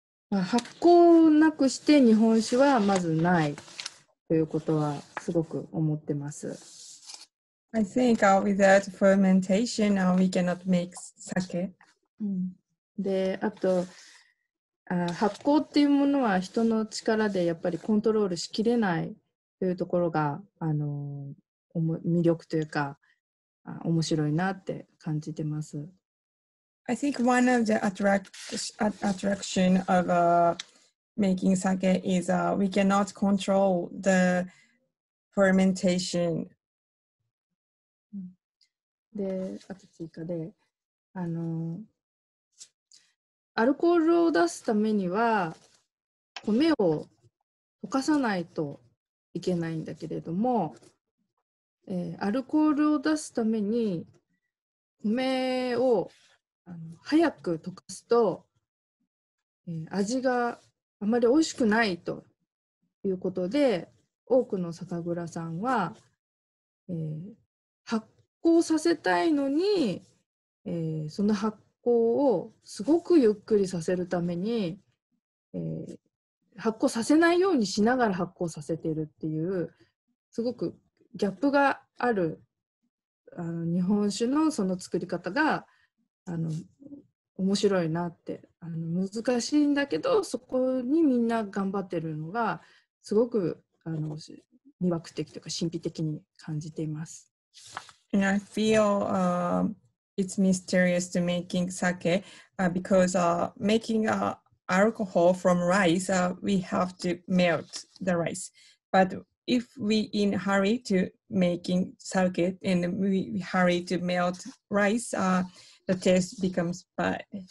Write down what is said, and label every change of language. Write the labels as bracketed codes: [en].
[ja] 発酵なくして日本酒はまずないということはすごく思ってます。 [en] I think without fermentation, we cannot make sake. [ja] で、あと、発酵っていうものは人の力でやっぱりコントロールしきれないというところが、魅力というか、面白いなって感じてます。 [en] I think one of the attraction of making sake is we cannot control the fermentation. [ja] で、あと追加で、アルコールを出すためには米を犯さないといけないんだけれども、アルコールを出すために米を早く溶かすと、味があまり美味しくないということで、多くの酒蔵さんは、発酵させたいのに、その発酵をすごくゆっくりさせるために、発酵させないようにしながら発酵させているっていう、すごくギャップがある、あの日本酒のその作り方が面白いなって、難しいんだけどそこにみんな頑張ってるのがすごく魅惑的というか神秘的に感じています。 [en] And I feel、it's mysterious to making sake、because、making、alcohol from rice、we have to melt the rice, butIf we in hurry to making sake and we hurry to melt rice, the taste becomes bad.